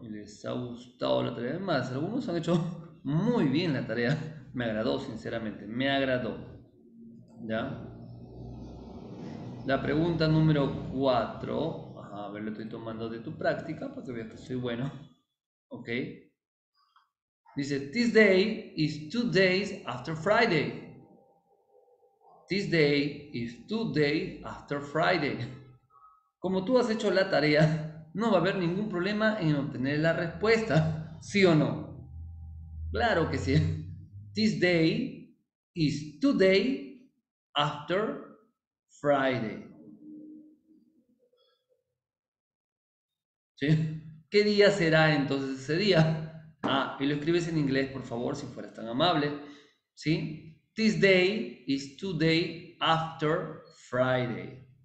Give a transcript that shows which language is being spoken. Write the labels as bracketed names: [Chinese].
[Spanish] Y les ha gustado la tarea. Además, algunos han hecho muy bien la tarea. Me agradó, sinceramente, me agradó. ¿Ya? La pregunta número 4. Ajá, a ver, lo estoy tomando de tu práctica para que veas que soy bueno. Ok. [English] Dice: This day is 2 days after Friday. This day is 2 days after Friday. [Spanish] Como tú has hecho la tarea, no va a haber ningún problema en obtener la respuesta. ¿Sí o no? Claro que sí. [English] This day is 2 days after Friday. [Spanish] ¿Sí? ¿Qué día será entonces ese día? Ah, y lo escribes en inglés, por favor, si fueras tan amable. ¿Sí? [English] This day is 2 days after Friday.